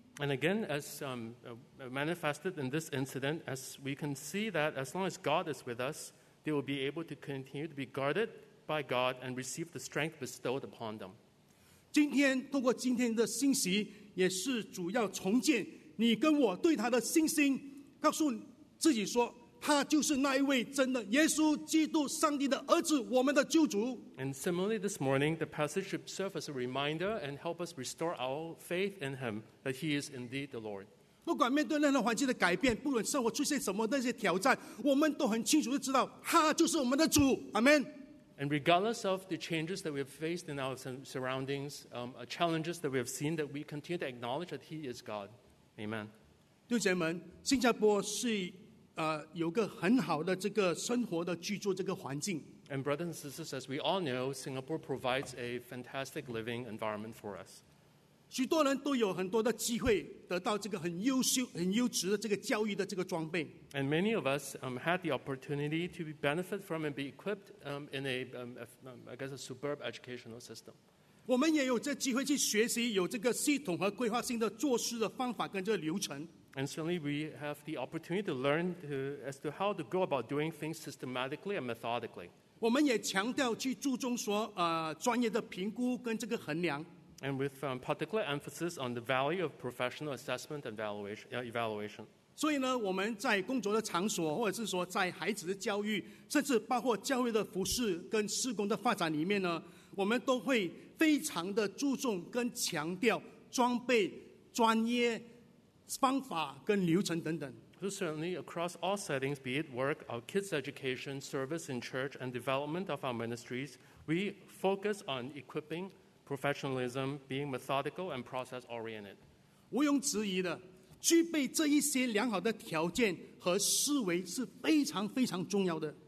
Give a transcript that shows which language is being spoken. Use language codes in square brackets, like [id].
[en] And again, as manifested in this incident, as we can see that as long as God is with us, they will be able to continue to be guarded by God and receive the strength bestowed upon them. [zh] 今天通过今天的信息，也是主要重建你跟我对他的信心，告诉自己说，他就是那一位真的耶稣基督，上帝的儿子，我们的救主。 [en] And similarly, this morning, the passage should serve as a reminder and help us restore our faith in Him that He is indeed the Lord. [zh] 不管面对任何环境的改变，不论生活出现什么那些挑战，我们都很清楚地知道他就是我们的主。 [en] Amen。 And regardless of the changes that we have faced in our surroundings, challenges that we have seen, that we continue to acknowledge that he is God. Amen。 [zh] 弟兄姐妹们，新加坡是有个很好的这个生活的居住这个环境。 [en] And brothers and sisters, as we all know, Singapore provides a fantastic living environment for us. [zh] 许多人都有很多的机会得到这个很优秀很优质的这个教育的这个装备。 [en] And many of us had the opportunity to benefit from and be equipped in a superb educational system. [zh] 我们也有这机会去学习有这个系统和规划性的做事的方法跟这个流程。 [en] And certainly we have the opportunity to learn as to how to go about doing things systematically and methodically. [zh] 我们也强调去注重说专业的评估跟这个衡量。 [en] And with particular emphasis on the value of professional assessment and evaluation. [zh] 所以呢，我们在工作的场所，或者是说在孩子的教育，甚至包括教会的服事跟事工的发展里面呢，我们都会非常的注重跟强调装备、专业方法跟流程等等。 [en] So certainly across all settings, be it work, our kids' education, service in church, and development of our ministries, we focus on equipping, professionalism, being methodical and process-oriented. [zh] 毋庸置疑的，具备这一些良好的条件和思维是非常非常重要的。